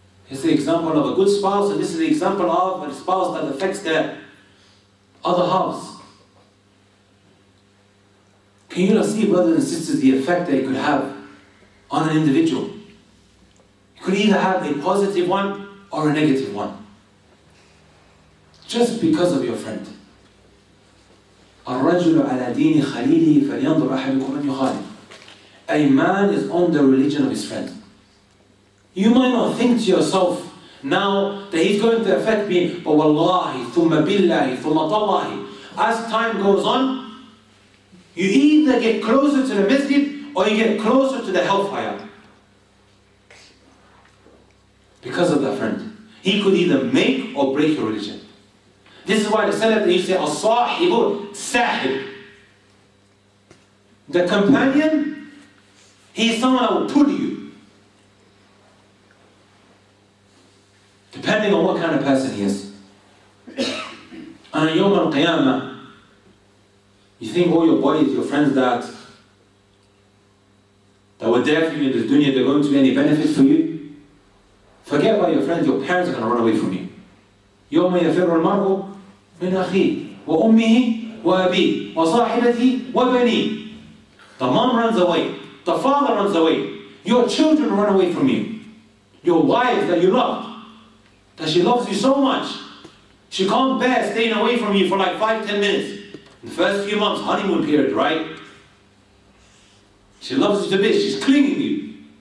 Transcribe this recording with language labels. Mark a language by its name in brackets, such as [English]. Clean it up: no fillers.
[English] It's the example of a good spouse, and this is the example of a spouse that affects their other halves. Can you not see, brothers and sisters, the effect that it could have on an individual? It could either have a positive one or a negative one. Just because of your friend. [Arabic] الرجل على دين خليله فلينظر أحدكم من يخالف. [English] A man is on the religion of his friend. You might not think to yourself now that he's going to affect me, but [Arabic] wallahi, thumma billahi, thumma tallahi. [English] As time goes on, you either get closer to the masjid or you get closer to the hellfire. Because of that friend. He could either make or break your religion. This is why the Salaf, they say, [Arabic] As-sahibu, sahib. [English] The companion, he is someone that will pull you. Depending on what kind of person he is. And on Yawm al-Qiyamah, you think all your boys, your friends that were there for you in this dunya, they're going to be any benefit for you? Forget about your friends, your parents are going to run away from you. [Arabic] Yawm al-Yafirru al-Mar'u, من أخي وأمه وأبي وصاحبتي وبني. [English] The mom runs away. The father runs away. Your children run away from you. Your wife that you love, that she loves you so much, she can't bear staying away from you for like 5-10 minutes. In the first few months, honeymoon period, right? She loves you to bits. She's clinging to you.